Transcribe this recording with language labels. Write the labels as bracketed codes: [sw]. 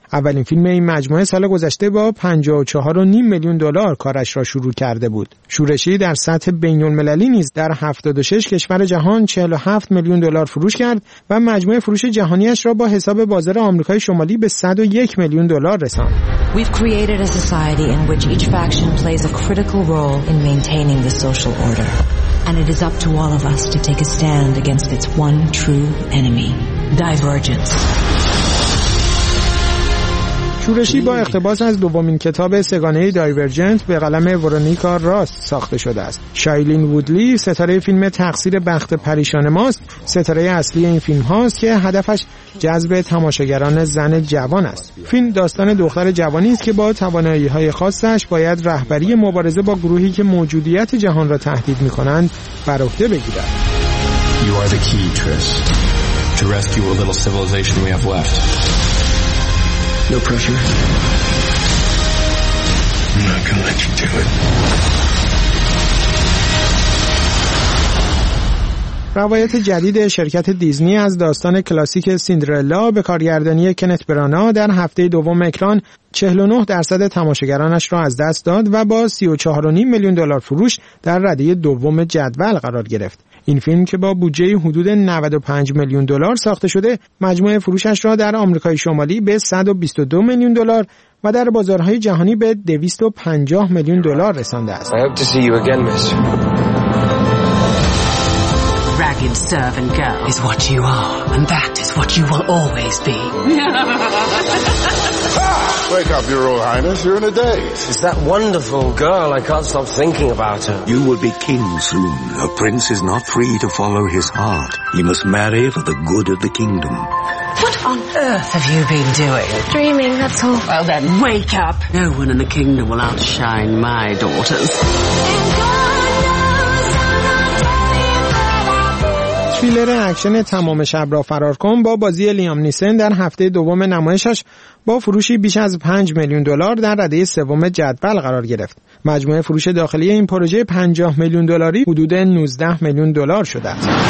[fa] اولین فیلم این مجموعه سال گذشته با 54.5 میلیون دلار کارش را شروع کرده بود. شورشی در سطح بین‌المللی نیز در 76 کشور جهان 47 میلیون دلار فروش کرد و مجموعه فروش جهانیش را با حساب بازار آمریکای شمالی به 101 میلیون دلار رساند. [en] We've created a society in which each faction plays a critical role in maintaining the social order. And it is up to all of us to take a stand against its one true enemy, divergence. [fa] شورشی با اقتباس از دومین کتاب سگانه دایورجنت به قلم ورونیکا راست ساخته شده است. شایلین وودلی ستاره فیلم تقصیر بخت پریشان ماست، ستاره اصلی این فیلم هاست که هدفش جذب تماشاگران زن جوان است. فیلم داستان دختر جوانی است که با توانایی های خاصش باید رهبری مبارزه با گروهی که موجودیت جهان را تهدید می کنند بر عهده بگیرد. [en] You are the key, Tris, to rescue a little civilization we have left. No pressure. I'm not gonna let you do it. [fa] روایت جدید شرکت دیزنی از داستان کلاسیک سیندرلا به کارگردانی کنت برانا در هفته دوم اکران 49% تماشاگرانش را از دست داد و با 34.5 میلیون دلار فروش در رده دوم جدول قرار گرفت. این فیلم که با بودجه حدود 95 میلیون دلار ساخته شده، مجموع فروشش را در آمریکای شمالی به 122 میلیون دلار و در بازارهای جهانی به 250 میلیون دلار رسانده است. [en] Ragged servant girl is what you are, and that is what you will always be. Wake up, Your Royal Highness, you're in a daze. It's that wonderful girl, I can't stop thinking about her. You will be king soon. A prince is not free to follow his heart. He must marry for the good of the kingdom. What on earth have you been doing? Dreaming, that's all. Well then, wake up. No one in the kingdom will outshine my daughters. [fa] فیلر اکشن تمام شب را فرار کن با بازی لیام نیسن در هفته دوم نمایشش با فروشی بیش از 5 میلیون دلار در رده سوم جدول قرار گرفت. مجموع فروش داخلی این پروژه 50 میلیون دلاری حدود 19 میلیون دلار شده است.